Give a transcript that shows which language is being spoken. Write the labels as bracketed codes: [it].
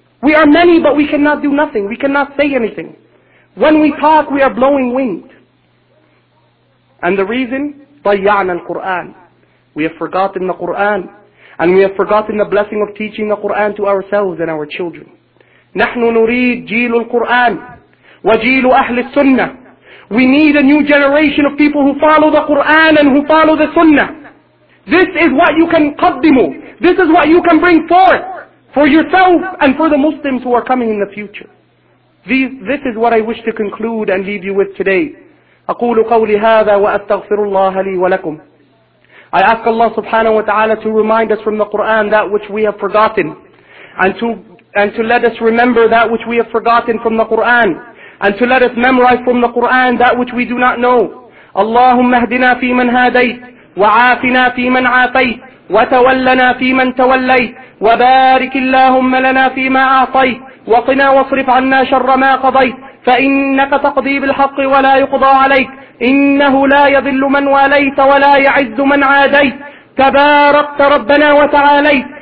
[en] We are many, but we cannot do nothing. We cannot say anything. When we talk, we are blowing wind. And the reason? [ar] ضَيَّعْنَا الْقُرْآنَ. [en] We have forgotten the Qur'an. And we have forgotten the blessing of teaching the Qur'an to ourselves and our children. [ar] نحن نريد جيل القرآن وجيل أهل السنة. [en] We need a new generation of people who follow the Qur'an and who follow the Sunnah. This is what you can [ar] قدموا. [en] This is what you can bring forth for yourself and for the Muslims who are coming in the future. This is what I wish to conclude and leave you with today. [ar] أقول قولي هذا وأستغفر الله لي ولكم. [en] I ask Allah subhanahu wa ta'ala to remind us from the Qur'an that which we have forgotten, and to let us remember that which we have forgotten from the Qur'an, and to let us memorize from the Qur'an that which we do not know. [ar] اللهم اهدنا في من هديت وعافنا في من عافيت وتولنا في من توليت وبارك اللهم لنا فيما أعطيت وقنا واصرف عنا شر ما قضيت فإنك تقضي بالحق ولا يقضى عليك إنه لا يذل من واليت ولا يعز من عاديت تباركت ربنا وتعاليت.